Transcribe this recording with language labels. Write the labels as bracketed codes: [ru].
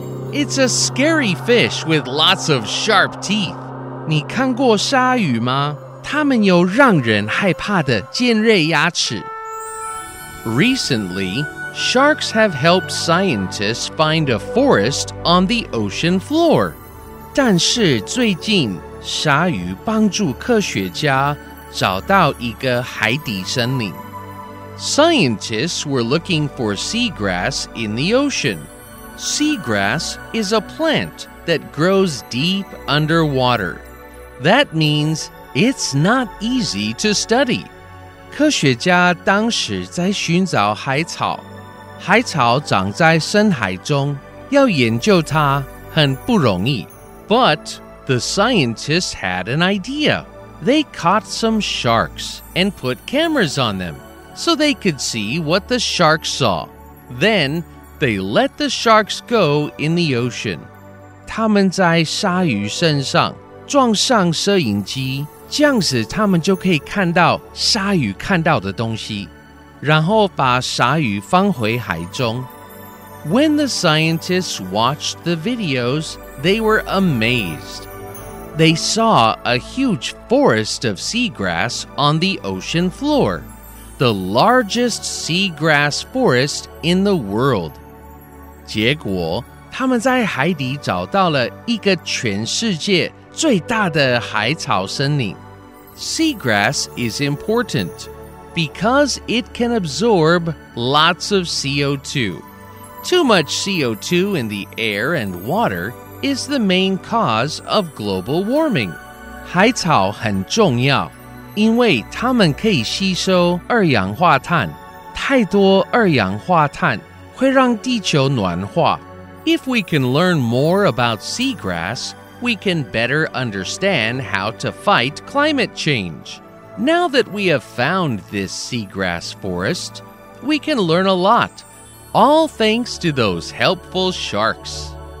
[en] It's a scary fish with lots of sharp teeth. [zh] 你看过鲨鱼吗？他们有让人害怕的尖锐牙齿。 [en] Recently, sharks have helped scientists find a forest on the ocean floor. [zh] 但是最近，鲨鱼帮助科学家找到一个海底森林。 [en] Scientists were looking for seagrass in the ocean. Seagrass is a plant that grows deep underwater. That means it's not easy to study. [zh] 科学家当时在寻找海草，海草长在深海中，要研究它很不容易。 [en] But the scientists had an idea. They caught some sharks and put cameras on them. So they could see what the sharks saw. Then, they let the sharks go in the ocean. [zh] 他们在鲨鱼身上装上摄影机，这样子他们就可以看到鲨鱼看到的东西，然后把鲨鱼放回海中。 [en] When the scientists watched the videos, they were amazed. They saw a huge forest of seagrass on the ocean floor. The largest seagrass forest in the world. [zh] 结果，他们在海底找到了一个全世界最大的海草森林。 [en] Seagrass is important because it can absorb lots of CO2. Too much CO2 in the air and water is the main cause of global warming. [zh] 海草很重要。因为它们可以吸收二氧化碳，太多二氧化碳会让地球暖化。 [en] If we can learn more about seagrass, we can better understand how to fight climate change. Now that we have found this seagrass forest, we can learn a lot, all thanks to those helpful sharks.